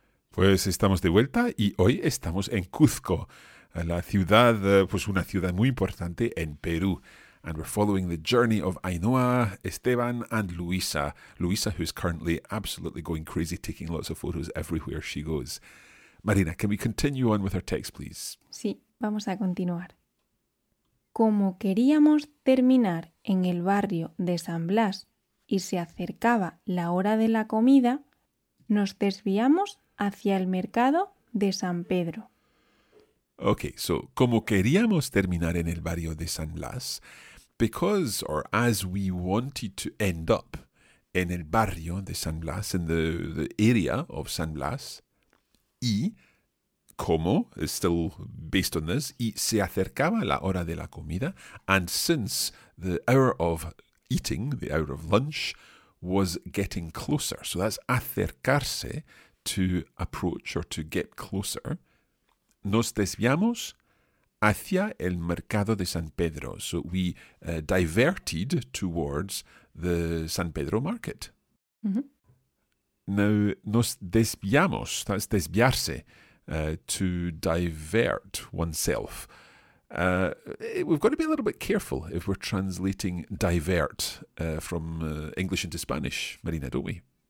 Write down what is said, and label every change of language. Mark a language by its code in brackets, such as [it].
[es] Pues estamos de vuelta y hoy estamos en Cuzco, la ciudad, pues una ciudad muy importante en Perú. [en] And we're following the journey of Ainhoa, Esteban, and Luisa. Luisa, who's currently absolutely going crazy, taking lots of photos everywhere she goes. Marina, can we continue on with our text, please? [es] Sí, vamos a continuar. Como queríamos terminar en el barrio de San Blas y se acercaba la hora de la comida, nos desviamos hacia el mercado de San Pedro. [en] Okay, so [es] como queríamos terminar en el barrio de San Blas, [en] because or as we wanted to end up in [es] el barrio de San Blas, [en] in the area of San Blas, y como is still based on this, [es] y se acercaba la hora de la comida, [en] and since the hour of eating, the hour of lunch, was getting closer. So that's acercarse, to approach or to get closer. [es] Nos desviamos hacia el mercado de San Pedro. [en] So we diverted towards the San Pedro market. Mm-hmm. Now, [es] nos desviamos, [en] that's desviarse, to divert oneself. We've got to be a little bit careful if we're translating divert from English into Spanish, Marina, don't we?